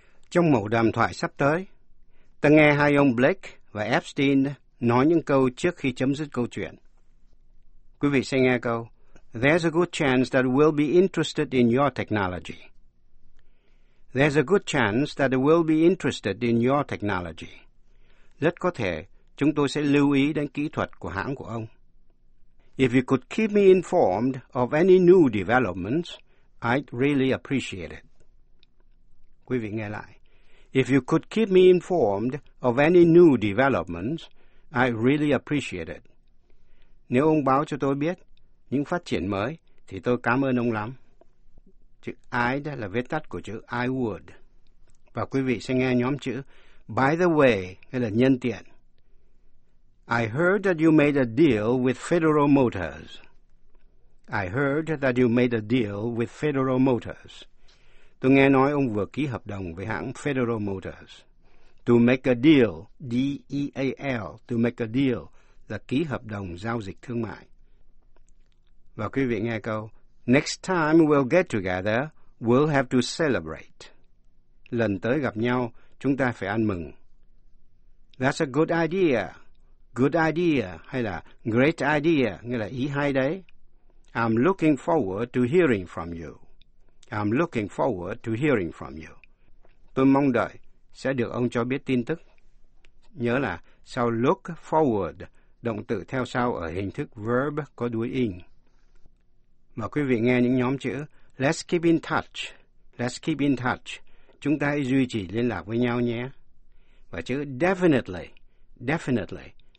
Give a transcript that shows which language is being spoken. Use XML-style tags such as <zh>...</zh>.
<vi>Trong mẫu đàm thoại sắp tới, ta nghe hai ông Blake và Epstein nói những câu trước khi chấm dứt câu chuyện. Quý vị sẽ nghe câu,</vi> <en>there's a good chance that we'll be interested in your technology. There's a good chance that we'll be interested in your technology.</en> <vi>Rất có thể chúng tôi sẽ lưu ý đến kỹ thuật của hãng của ông.</vi> <en>If you could keep me informed of any new developments, I'd really appreciate it.</en> <vi>Quý vị nghe lại.</vi> <en>If you could keep me informed of any new developments, I really appreciate it.</en> <vi>Nếu ông báo cho tôi biết những phát triển mới, thì tôi cảm ơn ông lắm. Chữ I là viết tắt của chữ</vi> <en>I would.</en> <vi>Và quý vị sẽ nghe nhóm chữ</vi> <en>by the way,</en> <vi>hay là nhân tiện.</vi> <en>I heard that you made a deal with Federal Motors. I heard that you made a deal with Federal Motors.</en> <vi>Tôi nghe nói ông vừa ký hợp đồng với hãng Federal Motors.</vi> <en>To make a deal,</en> <vi>D-E-A-L, to make a deal, là ký hợp đồng giao dịch thương mại. Và quý vị nghe câu,</vi> <en>next time we'll get together, we'll have to celebrate.</en> <vi>Lần tới gặp nhau, chúng ta phải ăn mừng.</vi> <en>That's a good idea,</en> <vi>hay là great idea, nghĩa là ý hay đấy.</vi> <en>I'm looking forward to hearing from you. I'm looking forward to hearing from you.</en> <vi>Tôi mong đợi sẽ được ông cho biết tin tức. Nhớ là sau look forward, động từ theo sau ở hình thức verb có đuôi ing. Mà quý vị nghe những nhóm chữ</vi> <en>let's keep in touch. Let's keep in touch.</en> <vi>Chúng ta hãy duy trì liên lạc với nhau nhé. Và chữ definitely. Definitely.</vi>